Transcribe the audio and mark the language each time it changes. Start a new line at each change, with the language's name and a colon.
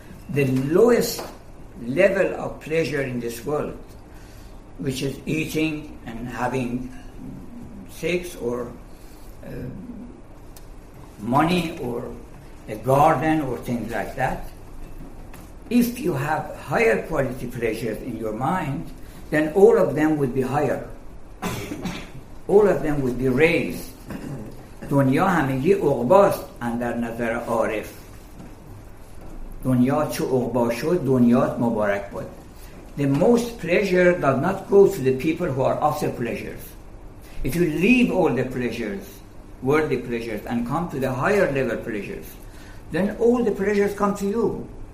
English: The lowest level of pleasure in this world, which is eating and having sex or money or a garden or things like that, if you have higher quality pleasures in your mind, then all of them would be higher. All of them would be raised.
Persian: دنیا همگی عقبا است اندر نظر عارف. دنیا چه عقبا شد دنیات مبارک بود.
English: The most pleasure does not go to the people who are after pleasures. If you leave all the pleasures, worldly pleasures, and come to the higher level pleasures, then all the pleasures come to you.